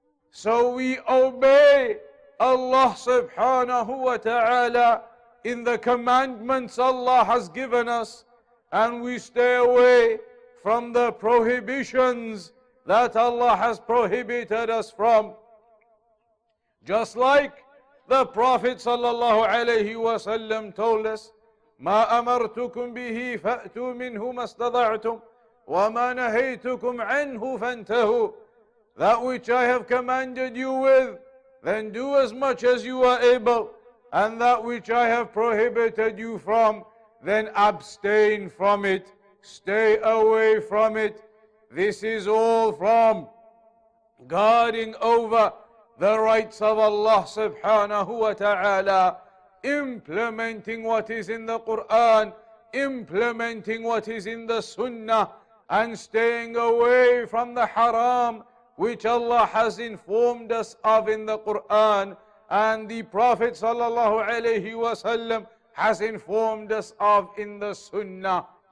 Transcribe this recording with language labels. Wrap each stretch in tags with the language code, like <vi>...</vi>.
<en>So we obey Allah subhanahu wa ta'ala in the commandments Allah has given us, and we stay away from the prohibitions that Allah has prohibited us from. Just like the Prophet sallallahu alayhi wa sallam told us,</en> <ar>ما أمرتكم به فأتوا منه ما استطعتم وما نهيتكم عنه فانتهوا.</ar> <en>That which I have commanded you with, then do as much as you are able, and that which I have prohibited you from, then abstain from it, stay away from it. This is all from guarding over the rights of Allah subhanahu wa ta'ala, implementing what is in the Quran, implementing what is in the Sunnah, and staying away from the haram which Allah has informed us of in the Quran, and the Prophet sallallahu alayhi wa sallam has informed us of in the Sunnah.</en>